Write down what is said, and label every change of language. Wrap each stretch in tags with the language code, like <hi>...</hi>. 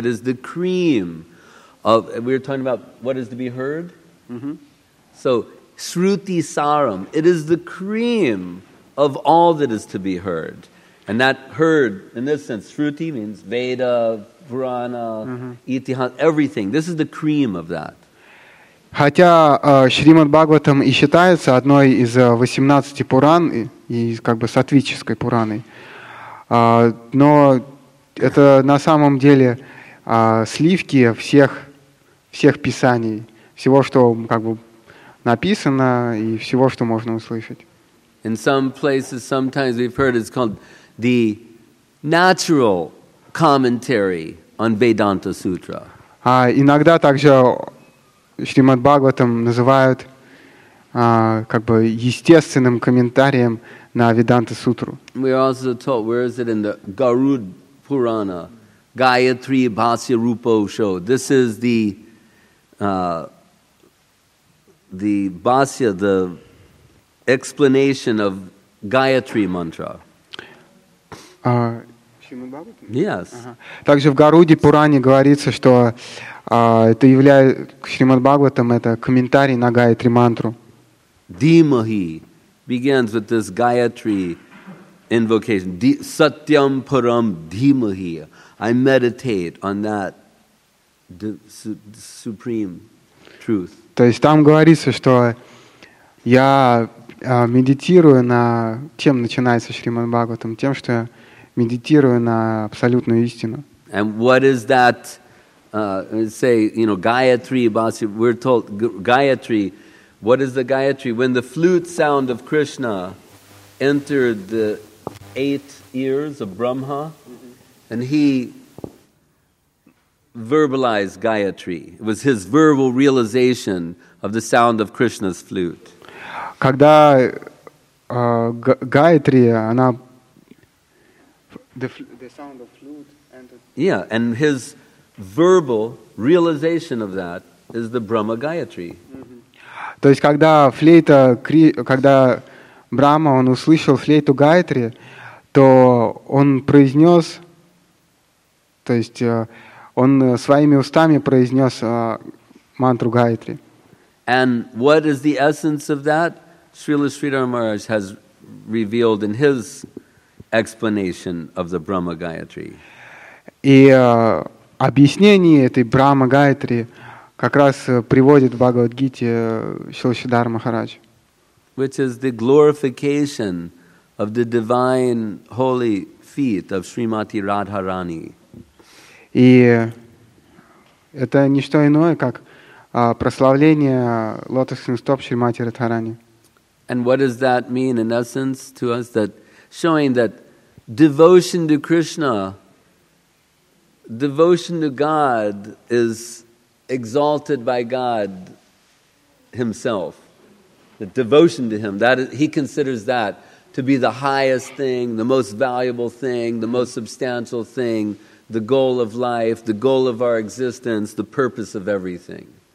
<en>It is the cream of, we were talking about what is to be heard? Mm-hmm. So, Shruti Saram, it is the cream of all that is to be heard. And that heard, in this sense, Shruti means Veda, Purana, Itihas, everything. This is the cream of that.</en> <ru>Хотя Шримад Бхагаватам и считается одной из 18 Пуран, и как бы сатвической Пураной, но это на самом деле сливки всех писаний, всего, что как бы написано и всего, что можно услышать.</ru> <en>In some places, sometimes we've heard it's called the natural commentary on Vedanta Sutra.</en> <ru>Иногда также Шримад Бхагаватам называют как бы естественным комментарием на Веданта Сутру.</ru> <en>We are also told, where is it in the Garud Purana, Gayatri Bhasya Rupa Usho. This is the Bhasya, the explanation of Gayatri Mantra.</en> <ru>Шримад Бхагаватам?</ru> <en>Yes.</en> <ru>Также в Гаруде Пуране говорится, что это является Шримад Бхагаватам, это комментарий на Гаятри Мантру.</ru> <en>Димахи begins with this Gayatri invocation.</en> <sa>Satyam Param Dhimahi.</sa> <en>I meditate on that supreme truth.</en> <ru>То есть там говорится, что я медитирую на тем, начинается Шримад Бхагаватам, тем, что я медитирую на абсолютную истину.</ru> <en>And what is that? Say, you know, Gayatri, we're told, Gayatri, what is the Gayatri? When the flute sound of Krishna entered the eight ears of Brahma, and he verbalized Gayatri. It was his verbal realization of the sound of Krishna's flute.</en> <ru>Когда Гаятри, она...</ru> <en>The sound of flute entered... Yeah, and his verbal realization of that is the Brahma Gayatri.</en> <ru>То есть когда флейта, когда Брама он услышал флейту Гаятри, то он произнес, то есть он своими устами произнес мантру Гаятри.</ru> <en>And what is the essence of that? Srila Sridhar Maharaj has revealed in his explanation of the Brahma Gayatri.</en> <ru>И объяснение этой Брахма Гаятри как раз приводит в Бхагавад-гите Шрила Сридхара Махарадж.</ru> <en>Which is the glorification of the divine holy feet of Srimati Radharani.</en> <ru>И это не что иное, как прославление лотосных стоп Шримати Радхарани.</ru> <en>And what does that mean in essence to us? That showing that devotion to Krishna, devotion to God is exalted by God Himself. The devotion to Him, that is, He considers that to be the highest thing, the most valuable thing, the most substantial thing, the goal of life, the goal of our existence, the purpose of everything.</en>